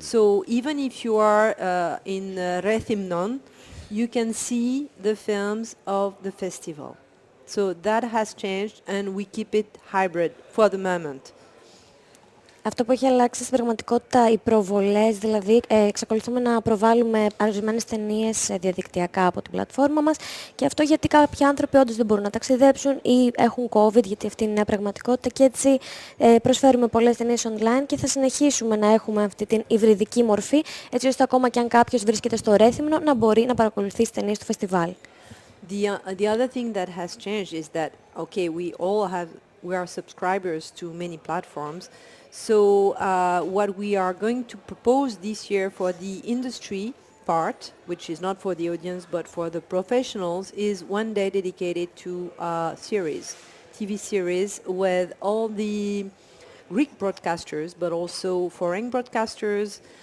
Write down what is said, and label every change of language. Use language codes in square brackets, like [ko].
[en] So even if you are in Rethymnon, you can see the films of the festival. So that has changed and we keep it hybrid for the moment. [el] Αυτό που έχει αλλάξει στην πραγματικότητα οι προβολές, δηλαδή εξακολουθούμε να προβάλλουμε ορισμένες ταινίες διαδικτυακά από την πλατφόρμα μας και αυτό γιατί κάποιοι άνθρωποι όντως δεν μπορούν να ταξιδέψουν ή έχουν COVID, γιατί αυτή είναι η πραγματικότητα και έτσι προσφέρουμε πολλές ταινίες online και θα συνεχίσουμε να έχουμε αυτή την υβριδική μορφή, έτσι ώστε ακόμα και αν κάποιος βρίσκεται στο Ρέθυμνο να μπορεί να παρακολουθεί τις ταινίες του φεστιβάλ. [en] The other thing that has changed is that, okay, we are subscribers to many platforms. So what we are going to propose this year for the industry part, which is not for the audience but for the professionals, is one day dedicated to a series, TV series, with all the Greek broadcasters, but also foreign broadcasters.